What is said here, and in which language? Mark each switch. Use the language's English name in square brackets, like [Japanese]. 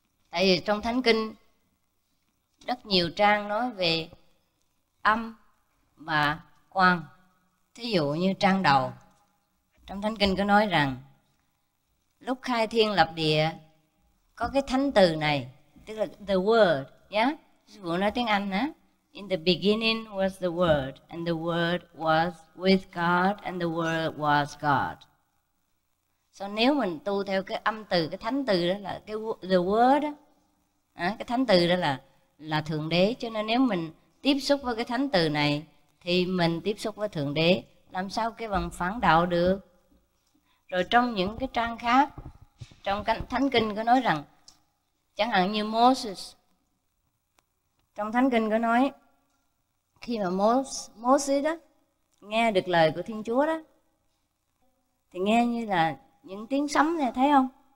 [Vietnamese] Tại vì trong Thánh Kinh rất nhiều trang nói về âm và quang. Thí dụ như trang đầu, trong Thánh Kinh có nói rằng lúc khai thiên lập địa có cái thánh từ này, tức là the word, yeah? Sư phụ nói tiếng Anh hả? [English] In the beginning was the word, and the word was with God, and the word was God. [Vietnamese] So nếu mình tu theo cái âm từ, cái thánh từ đó là cái the word, cái thánh từ đó là Thượng Đế. Cho nên nếu mình tiếp xúc với cái thánh từ này thì mình tiếp xúc với Thượng Đế, làm sao cái bằng phản đạo được. Rồi trong những cái trang khác, trong Thánh Kinh có nói rằng, chẳng hạn như Moses, trong Thánh Kinh có nói khi mà Moses đó nghe được lời của Thiên Chúa đó thì nghe như là những tiếng sấm nè, thấy không?